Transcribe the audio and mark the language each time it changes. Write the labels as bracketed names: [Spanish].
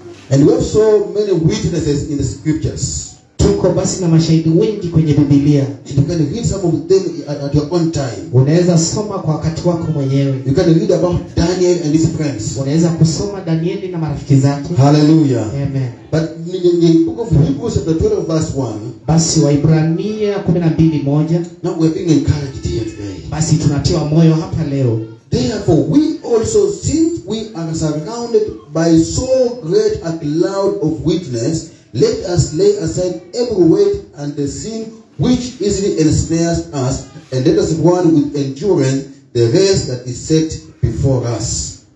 [English] And we have so many witnesses in the scriptures. [Swahili] Tuko basi na mashahidi wengi kwenye Biblia. [English] You can read some of them at your own time. [Swahili] Unaweza soma kwa wakati wako mwenyewe. [English] You can read about Daniel and his friends. [Swahili] Unaweza kusoma Danieli na marafiki zake. [English] Hallelujah. Amen. But in the book of Hebrews chapter 12 verse 1. [Swahili] Basi Waibrania 12:1. [English] Now we're being encouraged here today. [Swahili] Basi tunatiwa moyo hapa leo. [English] Therefore we also, since we are surrounded by so great a cloud of witness, let us lay aside every weight and the sin which easily ensnares us, and let us run with endurance the race that is set before us.